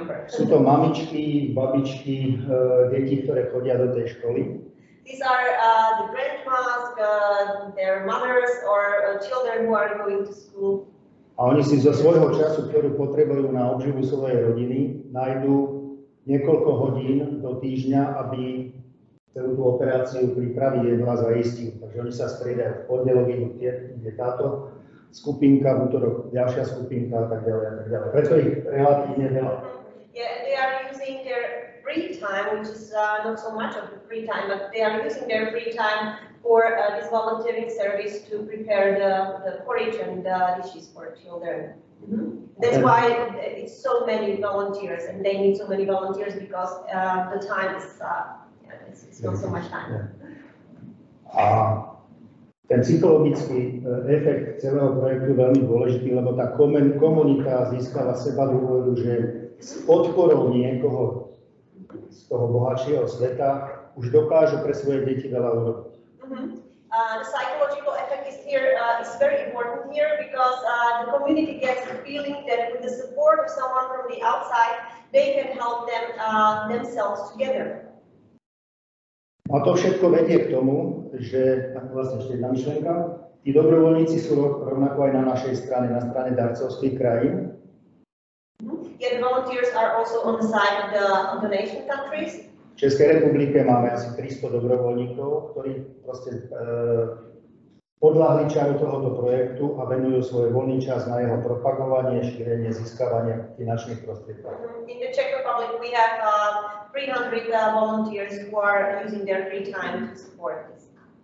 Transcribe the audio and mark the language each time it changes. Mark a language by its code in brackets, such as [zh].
[sk] Sú to mamičky, babičky, deti, ktoré chodia do tej školy. [en] These are the grandmas, their mothers or children who are going to school. [sk] A oni si zo svojho času, ktorú potrebujú na obživu svojej rodiny, nájdu niekoľko hodín do týždňa, aby celú tú operáciu pripravili jedno a zaistili. Takže oni sa striedajú v pondelovi, kde táto skupinka, v útorok ďalšia skupinka a tak ďalej a tak ďalej. Preto ich relatívne veľa. [en] Yeah, they are using their free time, which is not so much of the free time, but they are using their free time for this volunteering service to prepare the porridge and the dishes for children. Mm-hmm. That's why it's so many volunteers, and they need so many volunteers because the time is it's not so much time. Yeah. [sk] Ten psychologický efekt celého projektu je veľmi dôležitý, lebo tá komunita získava seba dôveru, že s podporou niekoho z toho bohatšieho sveta už dokážu pre svoje deti veľa urobiť. [en] The psychological effect is here is very important here because the community gets the feeling that with the support of someone from the outside, they can help them themselves together. [sk] A to všetko vedie k tomu, že tak vlastne ešte jedna myšlenka, tí dobrovoľníci sú rovnako aj na našej strane, na strane darcovských krajín. [en] Yeah, volunteers are also on the side of the donation countries. [sk] V Českej republike máme asi 300 dobrovoľníkov, ktorí proste podľahli čaru tohoto projektu a venujú svoj voľný čas na jeho propagovanie, šírenie, získavanie finančných prostriedkov. [en] In the Czech Republic we have 300 volunteers who are using their free time to support this.